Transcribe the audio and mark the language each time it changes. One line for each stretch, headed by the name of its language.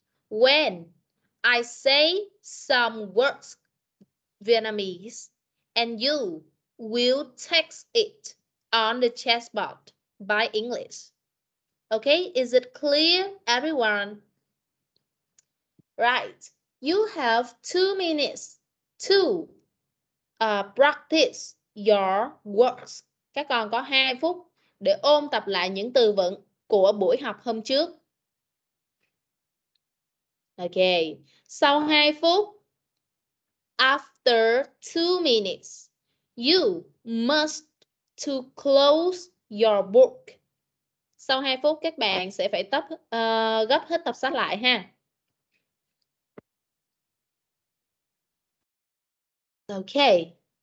English: When I say some words Vietnamese and you will text it on the chat box by English. Okay, is it clear, everyone? Right, you have 2 minutes to practice your words.
Vietnamese: Các con có 2 phút để ôn tập lại những từ vựng của buổi học hôm trước.
English: Okay,
Vietnamese: sau 2 phút,
English: after 2 minutes, you must to close your book.
Vietnamese: Sau 2 phút các bạn sẽ phải gấp hết tập sách lại ha.
English: Okay.